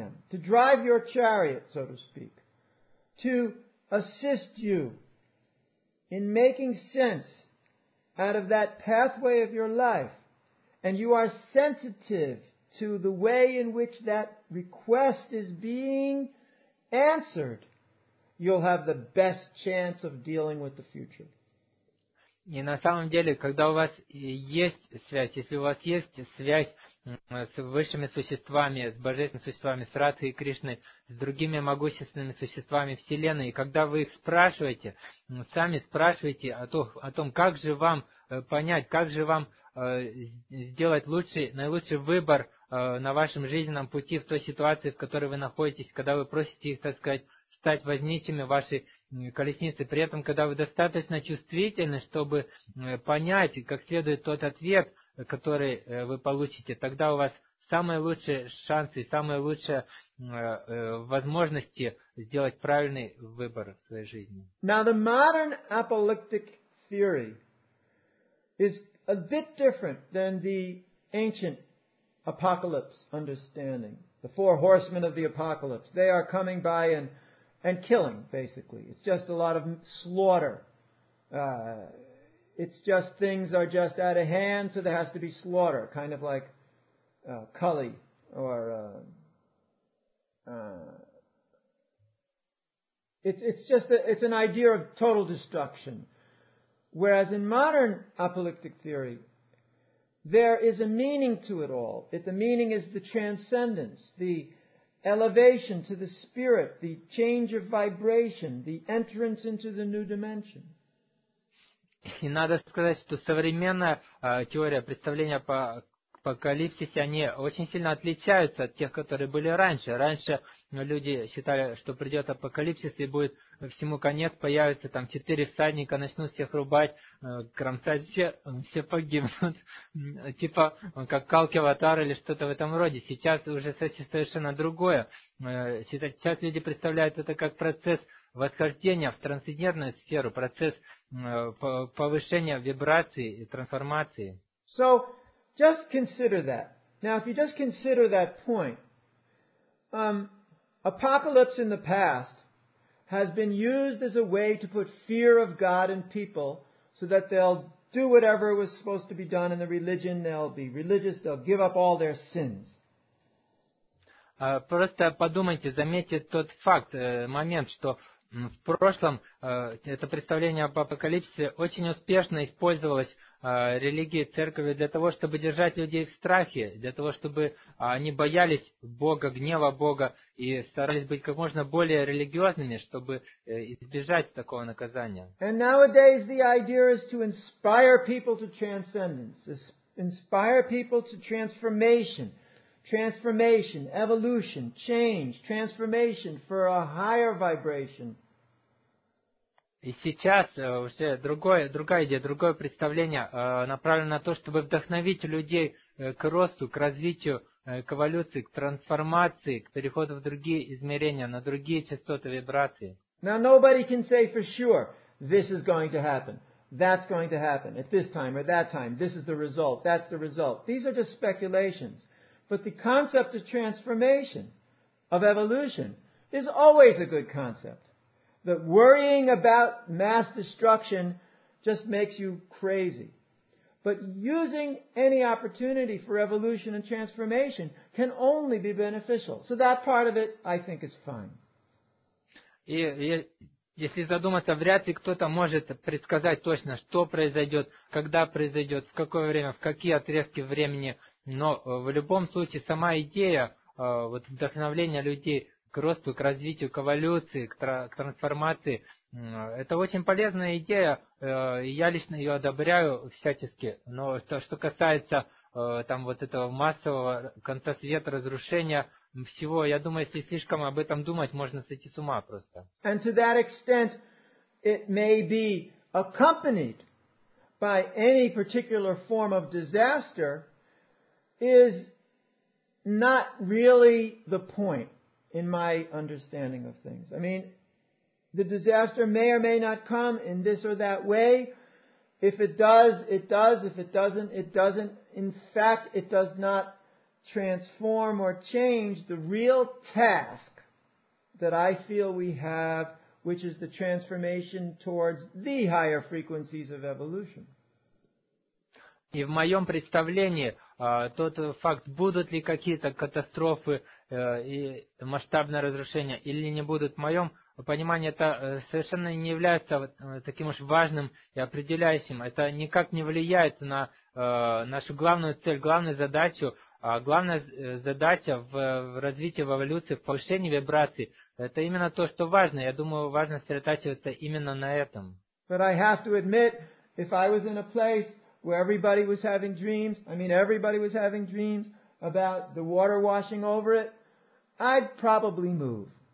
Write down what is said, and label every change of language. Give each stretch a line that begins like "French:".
English: to drive your chariot, so to speak, to assist you in making sense out of that pathway of your life, and you are sensitive to the way in which that request is being answered, you'll have the best chance of dealing with the future.
Russian: И на самом деле, когда у вас есть связь, если у вас есть связь с высшими существами, с божественными существами, с Радхой и Кришной, с другими могущественными существами Вселенной, и когда вы их спрашиваете, сами спрашиваете о том, как же вам понять, как же вам сделать лучший, наилучший выбор на вашем жизненном пути в той ситуации, в которой вы находитесь, когда вы просите их, так сказать, стать возничими вашей колесницы. При этом, когда вы достаточно чувствительны, чтобы понять, как следует тот ответ, который вы получите, тогда у вас самые лучшие шансы, самые лучшие возможности сделать правильный выбор в своей жизни.
English: Now, the modern apocalyptic theory is a bit different than the ancient apocalypse understanding. The four horsemen of the apocalypse, they are coming by and killing, basically. It's just a lot of slaughter. It's just things are just out of hand, so there has to be slaughter, kind of like Kali or it's an idea of total destruction. Whereas in modern apocalyptic theory, there is a meaning to it all. The meaning is the transcendence, the elevation to the spirit, the change of vibration, the entrance into the new dimension.
Russian: И надо сказать, что современная теория представления по апокалипсисе, они очень сильно отличаются от тех, которые были раньше. Раньше люди считали, что придет апокалипсис и будет всему конец, появятся там четыре всадника, начнут всех рубать, кромсать, все погибнут. Типа как Калки Аватар или что-то в этом роде. Сейчас уже совершенно другое. Сейчас люди представляют это как процесс восхождения в трансцендентную сферу, процесс повышения вибрации и трансформации.
English: So, just consider that. Now, if you just consider that point, apocalypse in the past has been used as a way to put fear of God in people so that they'll do whatever was supposed to be done in the religion, they'll be religious, they'll give up all their sins.
Russian: Просто подумайте, заметьте тот факт, момент, что в прошлом это представление об апокалипсисе очень успешно использовалось религии, церкви для того, чтобы держать людей в страхе, для того, чтобы они боялись Бога, гнева Бога и старались быть как можно более религиозными, чтобы избежать такого наказания.
English: And nowadays the idea is to inspire people to transcendence, inspire people to transformation, transformation, evolution, change, transformation for a higher vibration.
Russian: И сейчас уже другая идея, другое представление направлено на то, чтобы вдохновить людей к росту, к развитию, к эволюции, к трансформации, к переходу в другие измерения, на другие частоты вибрации.
English: Now nobody can say for sure this is going to happen, that's going to happen at this time or that time, this is the result, that's the result. These are just speculations. But the concept of transformation, of evolution, is always a good concept. That worrying about mass destruction just makes you crazy. But using any opportunity for evolution and transformation can only be beneficial. So that part of it, I think, is fine.
Russian: Если задуматься, вряд ли кто-то может предсказать точно, что произойдет, когда произойдет, в какое время, в какие отрезки времени. Но в любом случае, сама идея, вот вдохновление людей к росту, к развитию, к эволюции, к трансформации. Это очень полезная идея, я лично ее одобряю всячески, но то, что касается там вот этого массового конца света, разрушения всего, я думаю, если слишком об этом думать, можно сойти с ума просто.
English: And to that extent, it may be accompanied by any particular form of disaster is not really the point in my understanding of things. I mean, the disaster may or may not come in this or that way. If it does, it does. If it doesn't, it doesn't. In fact, it does not transform or change the real task that I feel we have, which is the transformation towards the higher frequencies of evolution.
Russian: И в моем представлении, тот факт, будут ли какие-то катастрофы и масштабное разрушение или не будут, в моем понимании это совершенно не является таким уж важным и определяющим. Это никак не влияет на нашу главную цель, главную задачу. А главная задача в развитии, в эволюции, в повышении вибраций, это именно то, что важно. Я думаю, важно сосредотачиваться именно на этом.
English: But I have to admit, if I was in a place where everybody was having dreams, I mean everybody was having dreams about the water washing over it, I'd probably move.